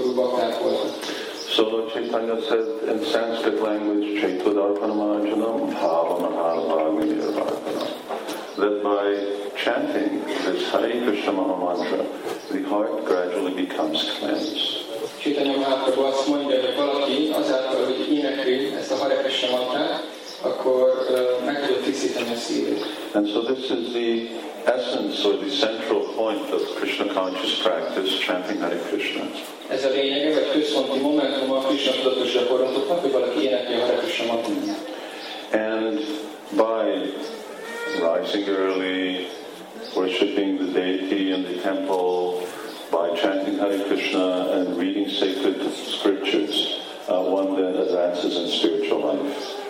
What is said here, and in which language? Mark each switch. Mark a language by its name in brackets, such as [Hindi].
[English] So Lord Chaitanya said in Sanskrit language, Chaitudarpanamajanam Bhavanaharabhagavirvartanam, that by chanting this Hare Krishna Maha Mantra, the heart gradually becomes cleansed. [Hungarian] Chaitanya Mahaprabhu azt mondja, hogy valaki azáltal, hogy énekli ezt a Hare Krishna Mantrát, akkor meg tudja tisztítani a szívét. [English] And so this is the essence or the central point of Krishna conscious practice, chanting Hare Krishna. [Hungarian] Ez a lényege, vagy központi momentum a Krishna tudatos gyakorlatoknak, hogy valaki énekli a Hare Krishna Mantrát. [English] And by rising early, worshipping the deity in the temple, by chanting Hare Krishna and reading sacred scriptures, one then advances in spiritual life.